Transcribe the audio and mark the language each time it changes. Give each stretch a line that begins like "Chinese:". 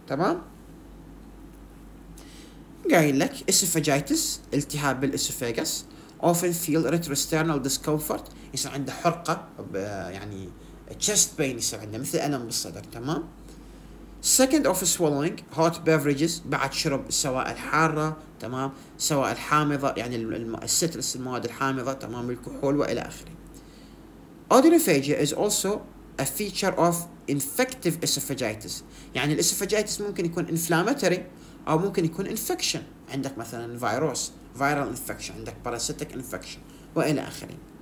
Arabic: تمام؟ قايل لك اسفاجيتس التهاب بالاسفاجس،
English: often feel retrosternal discomfort،
Arabic: يصير عنده حرقه يعني chest pain، يصير عنده مثل الم بالصدر. تمام؟
English: second of swallowing hot beverages،
Arabic: بعد شرب سوائل حاره. تمام؟ سواء الحامضة يعني الستلس المواد الحامضة. تمام؟ الكحول وإلى آخره.
English: Odynophagia is also a feature of infective esophagitis.
Arabic: يعني الاسفاجيتس ممكن يكون inflammatory أو ممكن يكون infection، عندك مثلا فيروس viral infection، عندك parasitic infection وإلى آخره.